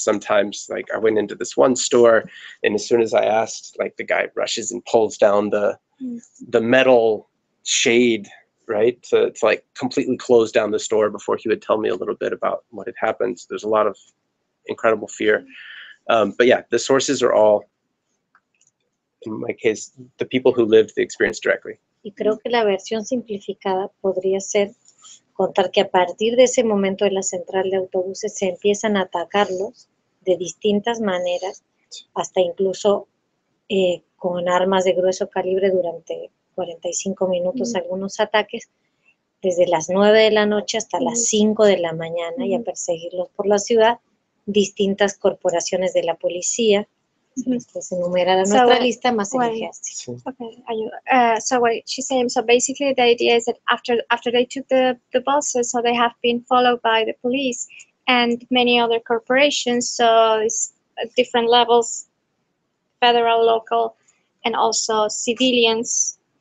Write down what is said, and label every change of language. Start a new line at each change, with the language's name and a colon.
English: Sometimes, like, I went into this one store, and as soon as I asked, like, the guy rushes and pulls down the metal shade, right, to like completely close down the store before he would tell me a little bit about what had happened. So there's a lot of incredible fear. But yeah, the sources are all, in my case, the people who lived the experience directly.
Spanish: Y creo que la versión simplificada podría ser contar que a partir de ese momento en la central de autobuses se empiezan a atacarlos de distintas maneras, hasta incluso con armas de grueso calibre durante 45 minutos, algunos ataques, desde las 9 de la noche hasta las 5 de la mañana, y a perseguirlos por la ciudad, distintas corporaciones de la policía, se enumera la nuestra lista, más el ejército.
English: So what she's saying, so basically the idea is that after they took the buses, so they have been followed by the police and many other corporations, so it's different levels, federal, local, and also civilians.